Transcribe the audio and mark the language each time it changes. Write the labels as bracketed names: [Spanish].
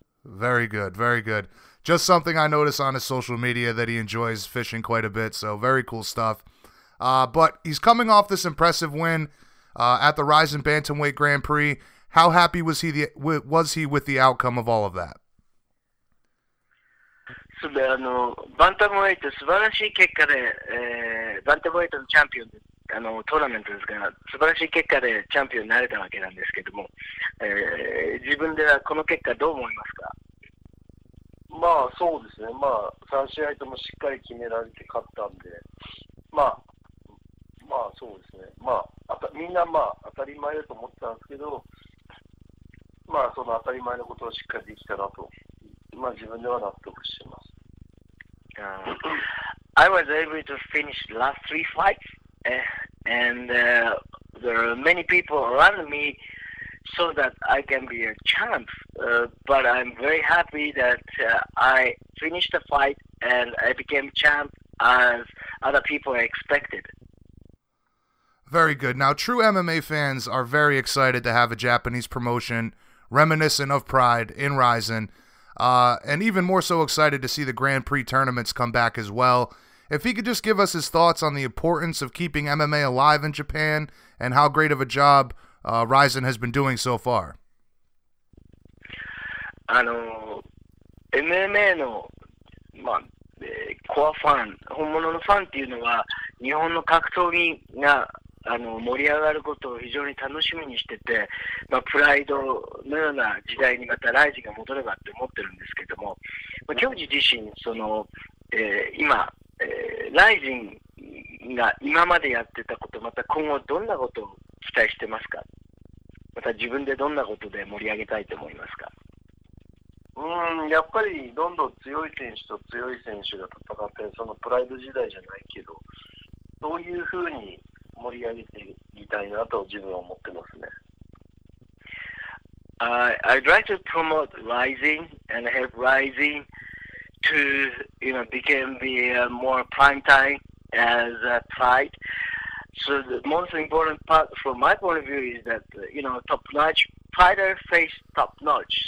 [English] Very good, very good. Just something I noticed on his social media that he enjoys fishing quite a bit, so very cool stuff. But he's coming off this impressive win at the Ryzen Bantamweight Grand Prix. How happy was he, was he with the outcome of all of that? [Japanese] でバンタムウェイト素晴らしい結果で、バンタムウェイトのチャンピオンであのトーナメントですが素晴らしい結果でチャンピオンになれたわけなんですけども、自分ではこの結果どう思いますか？まあそうですね、まあ3試合ともしっかり決められて勝ったんで、まあまあそうですね、まあ、みんなまあ当たり前だと思ってたんですけど、まあその当たり前のことをしっかりできたなと、まあ自分では納得してます。 [English] I was able to finish the last three fights, and there are many people around me so that I can be a champ, but I'm very happy that I finished the fight and I became champ as other people expected. Very good. Now, true MMA fans are very excited to have a Japanese promotion reminiscent of Pride in Ryzen. And even more so excited to see the Grand Prix tournaments come back as well. If he could just give us his thoughts on the importance of keeping MMA alive in Japan and how great of a job Ryzen has been doing so far. [Japanese] MMA の、まあ、コアファン、本物のファンっていうのは日本の格闘技が盛り上がることを非常に楽しみにしてて、まあ、プライドのような時代にまたライジンが戻ればって思ってるんですけども、まあ、教授自身その、今、ライジンが今までやってたこと、また今後どんなことを期待してますか？また自分でどんなことで盛り上げたいと思いますか？やっぱりどんどん強い選手と強い選手が戦って、そのプライド時代じゃないけど、そういう風に盛り上げていきたいなと自分は思ってますね。 [English] I'd like to promote Rising and help Rising to, you know, become the more prime time as a Pride. So the most important part from my point of view is that, you know, top-notch fighter face top-notch.